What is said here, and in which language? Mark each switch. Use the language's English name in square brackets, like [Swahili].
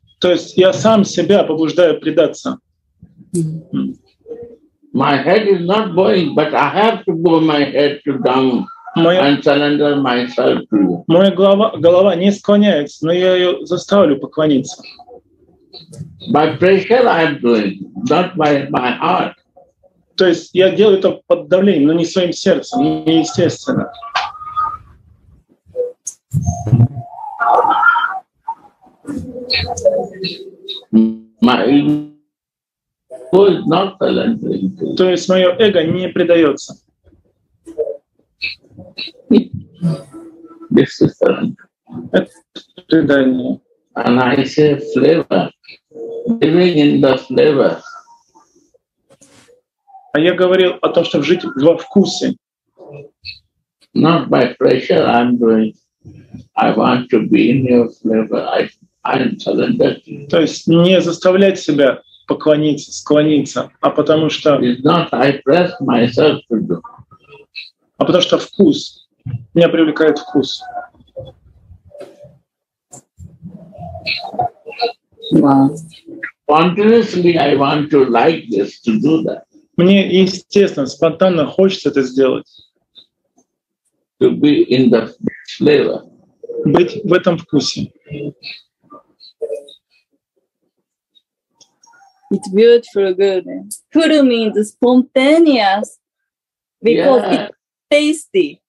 [Russian] То есть я сам себя побуждаю предаться. [English] My head is not going, but I have to bow my head to down and surrender myself to you. [Russian] Моя голова не склоняется, но я ее заставлю поклониться. [English] By pressure I am doing, not by my heart. [Russian] То есть я делаю это под давлением, но не своим сердцем, не естественно. [English] My ego is not surrendering. [Russian] То есть мое эго не предается. [English] This is surrender. And I say flavor, living in the flavor. [Russian] А я говорил о том, чтобы жить во вкусе. [English] Not by pressure, I'm doing. I want to be in your flavor. I'm surrendered. [Russian] То есть не заставлять себя поклониться, склониться, а потому что. [English] It's not. I press myself to do. [Russian] А потому что вкус меня привлекает вкус. [English] Spontaneously, I want to like this, to do that. [Russian] Мне естественно, спонтанно хочется это сделать. [English] To be in the flavor. [Russian] Быть в этом вкусе. [English] It's beautiful, good. Kuru means spontaneous because it's tasty.